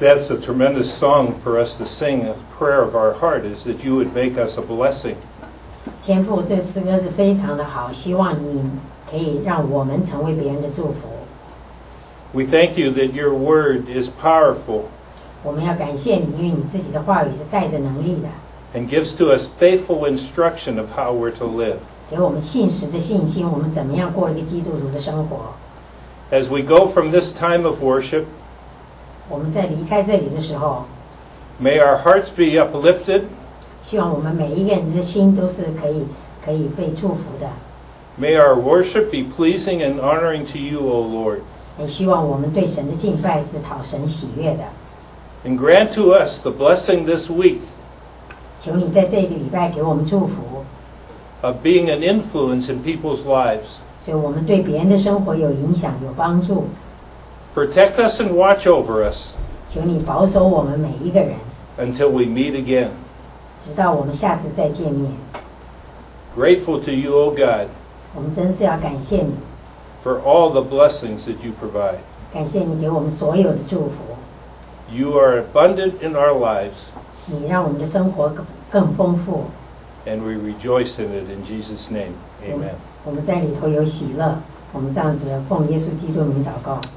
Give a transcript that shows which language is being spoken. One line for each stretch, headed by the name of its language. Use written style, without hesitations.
English: A tremendous song for us to sing. A prayer of our heart is that you would make us a blessing.
Chinese: 天父，这诗歌是非常的好，希望你可以让我们成为别人的祝福。
English: We thank you that your word is powerful.
Chinese: 我们要感谢你，因为你自己的话语是带着能力的。
English: And gives to us faithful instruction of how we're to live.
Chinese: 给我们信实的信心，我们怎么样过一个基督徒的生活。
English: As we go from this time of worship.
Chinese: 我们在离开这里的时候
English: May our hearts be uplifted.
Chinese: 希望我们每一个人的心都是可以被祝福的
English: May our worship be pleasing and honoring to you, O Lord.
Chinese: 也希望我们对神的敬拜是讨神喜悦的
English: And grant to us the blessing this week.
Chinese: 求你在这个礼拜给我们祝福
English: Of being an influence in people's lives.
Chinese: 所以我们对别人的生活有影响，有帮助。
English: Protect us and watch over us.
Chinese: 求你保守我们每一个人。
English: Until we meet again.
Chinese: 直到我们下次再见面。
English: Grateful to you, O God.
Chinese: 我们真是要感谢你。
English: For all the blessings that you provide.
Chinese: 感谢你给我们所有的祝福。
English: You are abundant in our lives.
Chinese: 你让我们的生活 更丰富。
English: And we rejoice in it in Jesus' name. Amen.
Chinese: 我们在里头有喜乐。我们这样子奉耶稣基督名祷告。